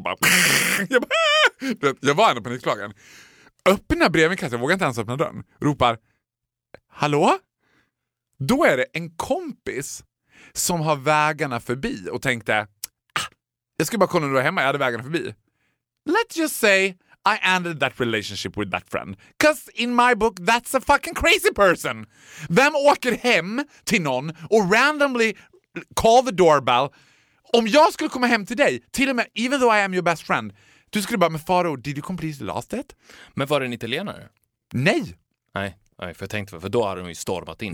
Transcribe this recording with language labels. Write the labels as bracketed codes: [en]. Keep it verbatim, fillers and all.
[sv] Bara, jag, bara, jag var ändå panikslagen. Öppna brevinkastet, jag vågar inte ens öppna dörren. Ropar, hallå? Då är det en kompis som har vägarna förbi och tänkte, ah, jag ska bara kolla när du är hemma, jag hade vägarna förbi. [en] Let's just say I ended that relationship with that friend. 'Cause in my book, that's a fucking crazy person. [sv] Vem åker hem till någon och [en] randomly call the doorbell? [sv] Om jag skulle komma hem till dig, till och med, [en] even though I am your best friend, [sv] du skulle bara, men Faro, [en] did you complete the last date? [sv] Men var det en italienare? Nej. Nej. Nej, för jag tänkte, för då hade de ju stormat in.